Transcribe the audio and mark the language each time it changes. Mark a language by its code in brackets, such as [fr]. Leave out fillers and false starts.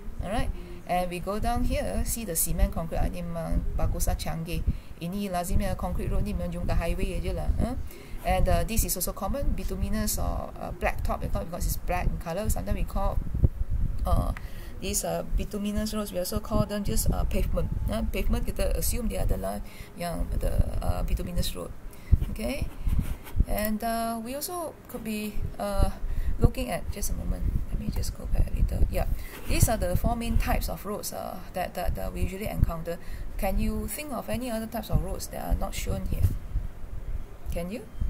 [en] Alright, and we go down here, see the cement concrete. [ms] Ini memang bagus lah, canggih. Ini lazimnya concrete road ni memang jumpa highway aja lah. [en] And this is also common, bituminous or black top, because it's black in color. Sometimes we call these bituminous roads, we also call them just pavement. [ms] Pavement, kita assume dia adalah yang [en] the bituminous road. Okay, and we also could be looking at, just a moment, let me just go back a little. Yeah, these are the four main types of roads that we usually encounter. Can you think of any other types of roads that are not shown here? Can you?